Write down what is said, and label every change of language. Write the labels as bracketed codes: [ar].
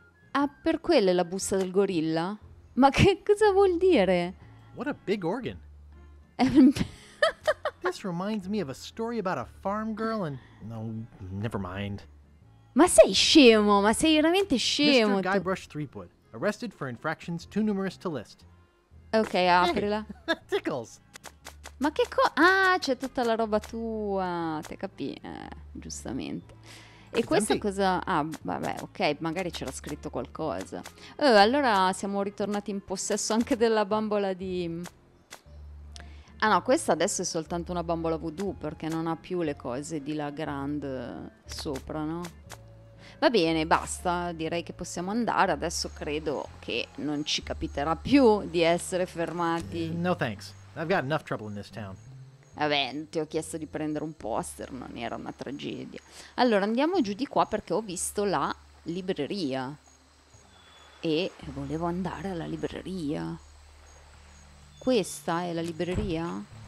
[it] Ah, per quello è la busta del gorilla? Ma che cosa vuol dire? [en] What a big organ. This reminds me of a story about a farm girl and... No, never mind. [it] Ma sei scemo, ma sei veramente scemo. [en] Mr. Guybrush Threepwood, arrested for infractions too numerous to list. [it] Ok, aprila. [en] Hey, tickles. [it] Ma che cosa? Ah, c'è tutta la roba tua. Ti capì, giustamente. E questa cosa? Ah, vabbè, ok, magari c'era scritto qualcosa. Allora siamo ritornati in possesso anche della bambola di... Ah no, questa adesso è soltanto una bambola voodoo, perché non ha più le cose di La Grande sopra, no? Va bene, basta, direi che possiamo andare. Adesso credo che non ci capiterà più di essere fermati. [en] No thanks, I've got enough trouble in this town. [it] Vabbè, ti ho chiesto di prendere un poster, non era una tragedia. Allora, andiamo giù di qua perché ho visto la libreria. E volevo andare alla libreria. Questa è la libreria?